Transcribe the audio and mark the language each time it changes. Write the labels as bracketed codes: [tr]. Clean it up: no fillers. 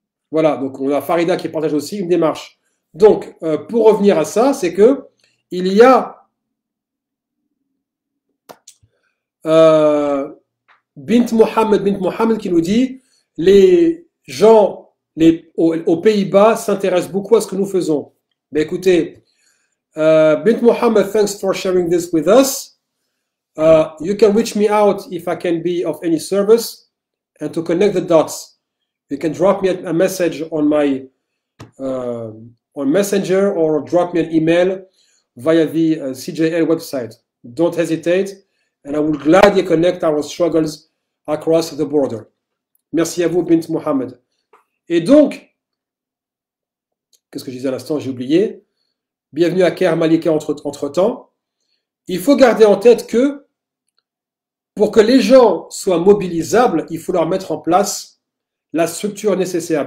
[fr] Voilà, donc on a Farida qui partage aussi une démarche. Donc, pour revenir à ça, c'est que il y a Bint Mohammed qui nous dit, les gens aux Pays-Bas s'intéressent beaucoup à ce que nous faisons. Mais écoutez, [en] Bint Mohammed, thanks for sharing this with us. You can reach me out if I can be of any service. And to connect the dots, you can drop me a message on my on Messenger or drop me an email via the CJL website. Don't hesitate, and I will gladly connect our struggles across the border. [fr] Merci à vous, Bint Mohammed. Et donc, qu'est-ce que je disais à l'instant? J'ai oublié. Bienvenue à Kher Malika entre-temps. Il faut garder en tête que pour que les gens soient mobilisables, il faut leur mettre en place la structure nécessaire.